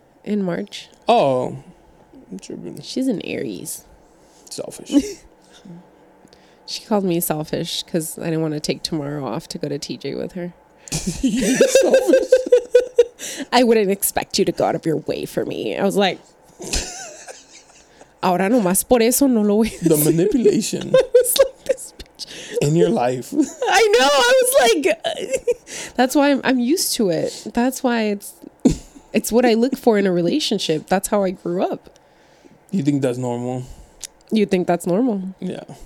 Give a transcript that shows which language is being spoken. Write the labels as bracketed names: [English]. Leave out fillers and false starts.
[English] In March. Oh. She's an Aries. Selfish. She called me selfish because I didn't want to take tomorrow off to go to TJ with her. I wouldn't expect you to go out of your way for me. I was like, [Spanish] ahora nomás por eso no lo voy. [English] The manipulation. I was like, this bitch. In your life. I know. I was like, that's why I'm used to it. That's why it's what I look for in a relationship. That's how I grew up. You think that's normal? You think that's normal? Yeah.